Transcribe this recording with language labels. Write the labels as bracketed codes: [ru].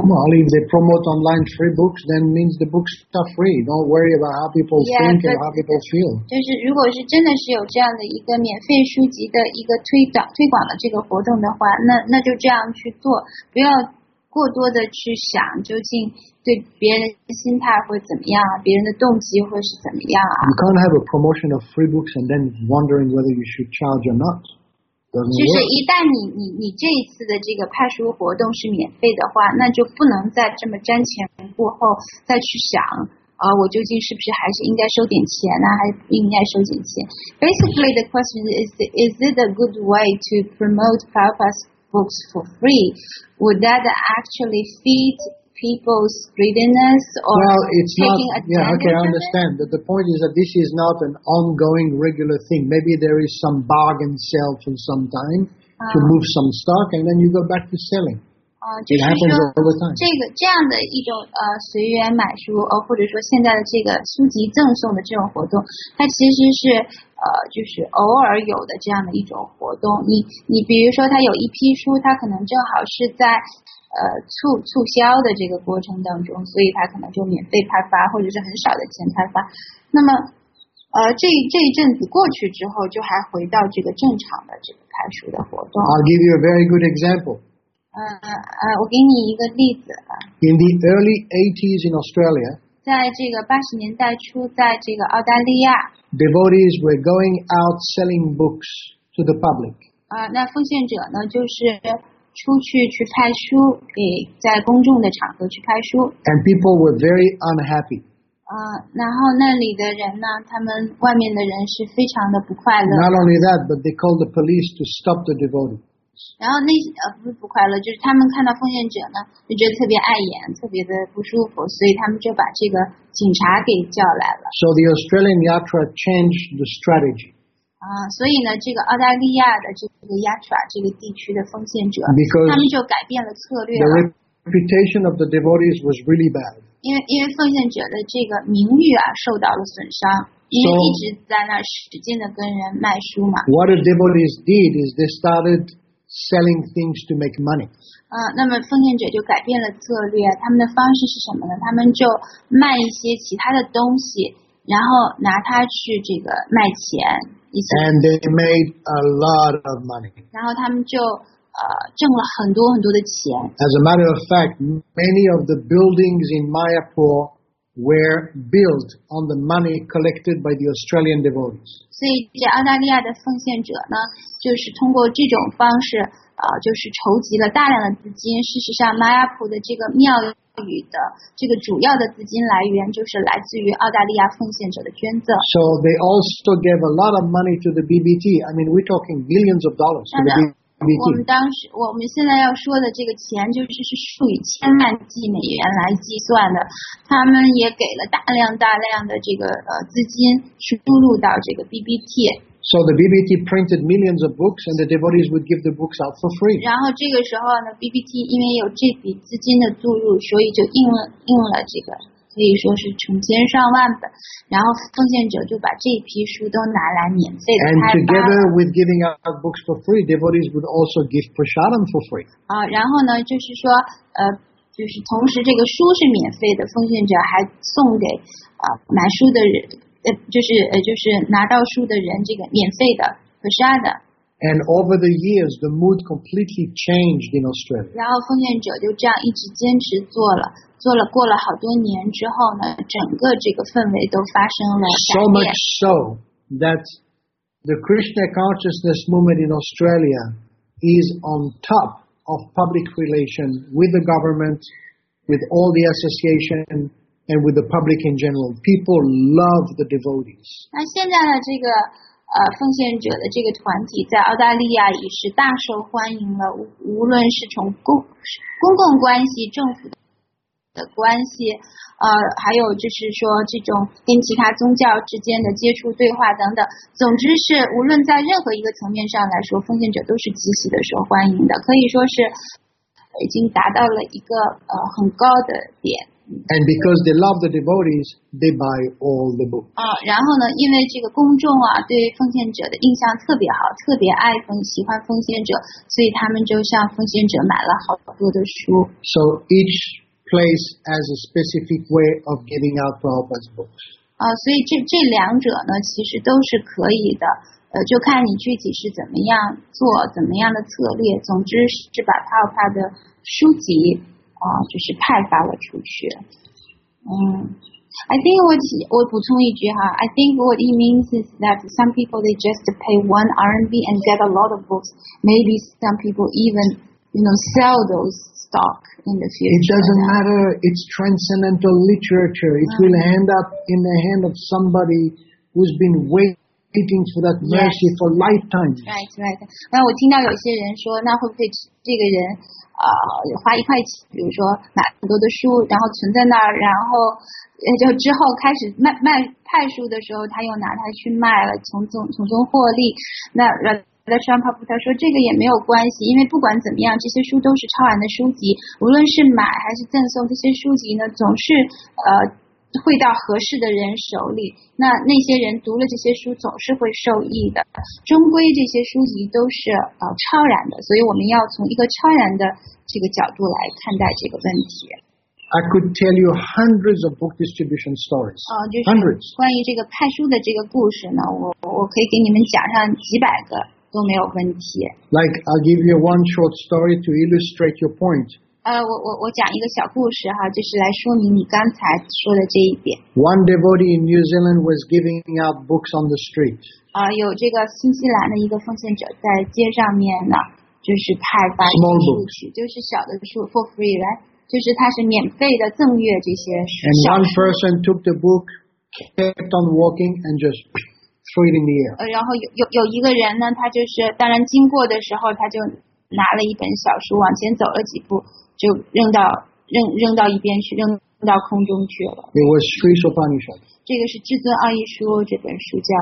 [en] Well, if they promote online free books, then means the books are free. Don't worry about how people think and how people feel. [zh] 就是如果是真的是有这样的一个免费书籍的一个推广的这个活动的话，那就这样去做，不要过多的去想究竟对别人的心态会怎么样，别人的动机会是怎么样啊。 [en] You can't have a promotion of free books and then wondering whether you should charge or not. [zh] 就是一旦你这一次的这个派书活动是免费的话，那就不能再这么瞻前顾后再去想我究竟是不是还是应该收点钱呢，还不应该收点钱。 [en] Basically the question is it a good way to promote Prabhupada's books for free? Would that actually feed people's greediness or well, it's taking not, advantage yeah, okay, I understand. But the point is that this is not an ongoing regular thing. Maybe there is some bargain sale for some time to move some stock and then you go back to selling. It happens all the time. [zh] 这样的一种随缘买书或者说现在的这个书籍赠送的这种活动，它其实是就是偶尔有的这样的一种活动。你比如说它有一批书，它可能正好是在促销的这个过程当中，所以他可能就免费派发或者是很少的钱派发。那么这一阵子过去之后就还回到这个正常的这个派书的活动。 [en] I'll give you a very good example. [zh] 我给你一个例子吧。 [en] In the early 80s in Australia, [zh] 在这个八十年代初，在这个澳大利亚 [en] ，devotees were going out selling books to the public. [zh] 那奉献者呢，就是出去派书，给在公众的场合去派书。 [en] And people were very unhappy. [zh] 然后那里的人呢，他们外面的人是非常的不快乐。 [en] Not only that, but they called the police to stop the devotee. [zh] 然后那些不是不快乐，就是他们看到奉献者呢，就觉得特别碍眼，特别的不舒服，所以他们就把这个警察给叫来了。 [en] So the Australian Yatra changed the strategy. [zh] 所以呢，这个澳大利亚的这个 Yatra 这个地区的奉献者， [en] Because、 [zh] 他们就改变了策略了。 [en] The reputation of the devotees was really bad. [zh] 因为奉献者的这个名誉啊受到了损伤。 [en] So what the devotees did is they started selling things to make money. [zh] 那么奉献者就改变了策略，他们的方式是什么呢？他们就卖一些其他的东西，然后拿它去这个卖钱。 [en] And they made a lot of money. [zh] 然后他们就挣了很多很多的钱。 [en] As a matter of fact, many of the buildings in Mayapur. Were built on the money collected by the Australian devotees. [zh] 所以这澳大利亚的奉献者呢，就是通过这种方式，就是筹集了大量的资金。事实上，马亚普的这个庙宇的这个主要的资金来源就是来自于澳大利亚奉献者的捐赠。 [en] So they also gave a lot of money to the BBT. I mean, we're talking millions of dollars to the BBT. [zh] 我们现在要说的这个钱就是数以千万计美元来计算的，他们也给了大量大量的这个资金输入到这个 BBT。 [en] So the BBT printed millions of books, and the devotees would give the books out for free. [zh] 然后这个时候呢 ，BBT 因为有这笔资金的注入，所以就印了这个，可以说是成千上万本。然后奉献者就把这批书都拿来免费的开发。 [en] And together with giving out books for free, devotees would also give prasadam for free. [zh] 然后呢，就是说，就是同时这个书是免费的，奉献者还送给买书的人，就是拿到书的人这个免费的prasadam。 [en] And over the years, the mood completely changed in Australia. [zh] 然后奉献者就这样一直坚持做了。做了过了好多年之后呢，整个这个氛围都发生了改变。 [en] So much so that the Krishna consciousness movement in Australia is on top of public relations with the government, with all the association, and with the public in general. People love the devotees. [zh] 那现在的这个奉献者的这个团体在澳大利亚已是大受欢迎了，无论是从公共关系、政府。的关系，还有就是说这种跟其他宗教之间的接触、对话等等。总之是，无论在任何一个层面上来说，奉献者都是极其的受欢迎的，可以说是已经达到了一个很高的点。 [en] And because they love the devotees, they buy all the books. [zh] 然后呢，因为这个公众啊，对奉献者的印象特别好，特别爱喜欢奉献者，所以他们就向奉献者买了好多的书。 [en] So each place as a specific way of giving out Prabhupada's books. [zh] 所以这两者呢，其实都是可以的。就看你具体是怎么样做，怎么样的策略。总之是把 Prabhupada 的书籍就是派发了出去。 [en] I think what [zh] 补充一句哈 [en] ，I think what he means is that some people they just pay one RMB and get a lot of books. Maybe some people even sell those stock in the future. It doesn't matter. It's transcendental literature. It will end up in the hand of somebody who's been waiting for that mercy for lifetimes. Right, right. [zh] 那我听到有些人说，那会不会这个人花一块钱，比如说买很多的书，然后存在那儿，然后就之后开始卖派书的时候，他又拿它去卖了，从中获利。那在圣帕普他说这个也没有关系，因为不管怎么样，这些书都是超然的书籍，无论是买还是赠送，这些书籍呢总是会到合适的人手里，那些人读了这些书总是会受益的，终归这些书籍都是超然的，所以我们要从一个超然的这个角度来看待这个问题。 [en] I could tell you hundreds of book distribution stories. Hundreds. [zh] 关于这个派书的这个故事呢，我可以给你们讲上几百个。都没有问题。 [en] Like, I'll give you one short story to illustrate your point. [zh] 我讲一个小故事哈，就是来说明你刚才说的这一点。 [en] One devotee in New Zealand was giving out books on the street. [zh] 有这个新西兰的一个奉献者在街上面呢，就是派发书去， [en] Small books. [zh] 就是小的书 [en] for free, right? [zh] 就是他是免费的赠阅这些小书。 [en] And one person took the book, kept on walking, and just threw it in the air. [zh] 然后有一个人呢，他就是当然经过的时候，他就拿了一本小书往前走了几步，就扔到一边去，扔到空中去了。 [en] It was Sri Sopanishad. [zh] 这个是至尊奥义书这本书叫。